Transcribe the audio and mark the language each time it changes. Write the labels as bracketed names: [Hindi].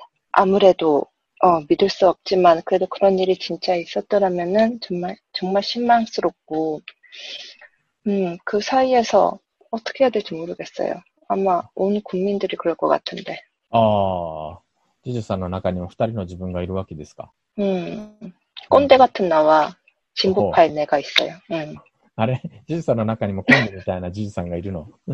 [Korean] 아무래도 믿을 수 없지만, 그래도 그런 일이 진짜 있었더라면은 정말 정말 실망스럽고, 그 사이에서 어떻게 해야 될지 모르겠어요. 아마 온 국민들이 그럴 것 같은데. [Japanese] 지주さんの中にも 2人 の 自分 がいる わけ ですか? [Korean] 꼰대 같은 나와 진보파의 내가 있어요. [Japanese] 아래 지주さんの中にも 꼰대 みたいな 지주さんが いるの?